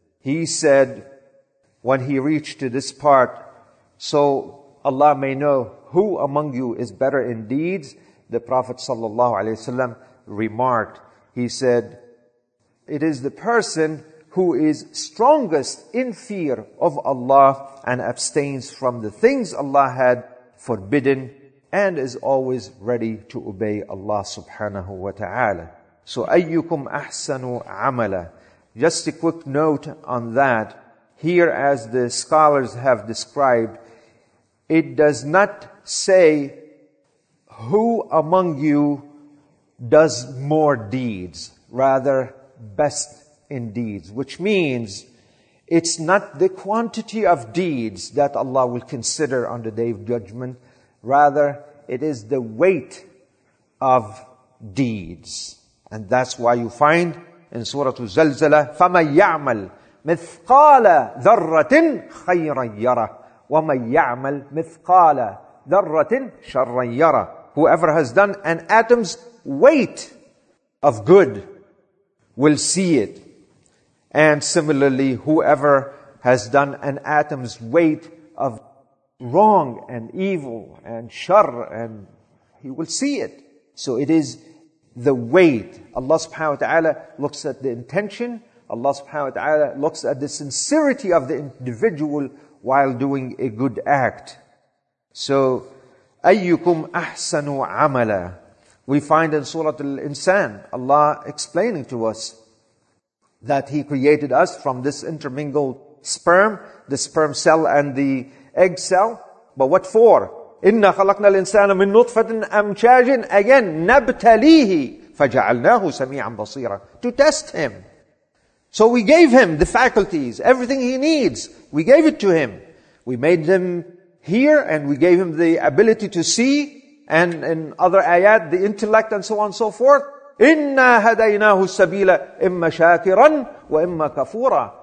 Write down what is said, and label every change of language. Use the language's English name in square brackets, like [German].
[English] He said, when he reached to this part, so Allah may know who among you is better in deeds, the Prophet ﷺ remarked, he said, it is the person who is strongest in fear of Allah and abstains from the things Allah had forbidden and is always ready to obey Allah subhanahu wa ta'ala. [Arabic] So, أَيُّكُمْ أَحْسَنُ عَمَلًا. [English] Just a quick note on that. Here, as the scholars have described, it does not say who among you does more deeds, rather best in deeds, which means it's not the quantity of deeds that Allah will consider on the Day of Judgment, rather it is the weight of deeds. And that's why you find in Surah Al-Zalzala, [Arabic] فَمَنْ يَعْمَلْ مِثْقَالَ ذَرَّةٍ خَيْرًا يَرَى وَمَنْ يَعْمَلْ مِثْقَالَ ذَرَّةٍ شَرًّا يَرَى. [English] Whoever has done an atom's weight of good will see it. And similarly, whoever has done an atom's weight of wrong and evil and shar, and he will see it. So it is the weight. Allah subhanahu wa ta'ala looks at the intention. Allah subhanahu wa ta'ala looks at the sincerity of the individual while doing a good act. [Arabic] So, أَيُّكُمْ أَحْسَنُ عَمَلًا. [English] We find in Surah Al-Insan, Allah explaining to us that He created us from this intermingled sperm, the sperm cell and the egg cell. But what for? [Arabic] إِنَّا خَلَقْنَا الْإِنسَانَ مِن نُطْفَةٍ أَمْشَاجٍ. Again, نَبْتَلِيهِ فَجَعَلْنَاهُ سَمِيعًا بَصِيرًا. [English] To test Him. So we gave Him the faculties, everything He needs. We gave it to Him. We made Him hear, and we gave Him the ability to see, and in other ayat, the intellect, and so on and so forth. [Arabic] إِنَّا هَدَيْنَاهُ السَّبِيلَ إِمَّا شَاكِرًا وَإِمَّا كَفُورًا.